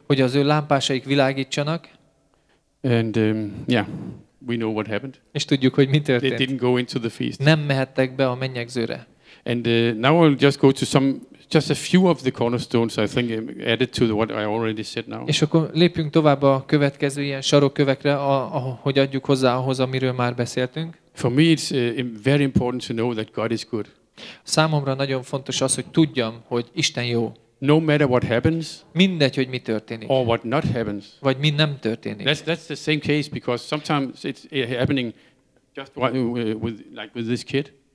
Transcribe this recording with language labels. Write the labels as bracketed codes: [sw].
[hu] Hogy az ő lámpásaik világítsanak. [en] And we know what happened. [hu] És tudjuk, hogy mi történt. [en] They didn't go into the feast. [hu] Nem mehettek be a mennyegzőre. [en] And now I'll just go to just a few of the cornerstones I think added to what I already said now. [hu] És akkor lépjünk tovább a következő ilyen sarokkövekre, ahogy adjuk hozzá ahhoz, amiről már beszéltünk. [en] For me it's very important to know that God is good. [hu] Számomra nagyon fontos az, hogy tudjam, hogy Isten jó. [en] No matter what happens. [hu] Mindegy, hogy mi történik. [en] Or what not happens. [hu] Vagy mi nem történik. [en] That's the same case because sometimes it's happening just with this kid.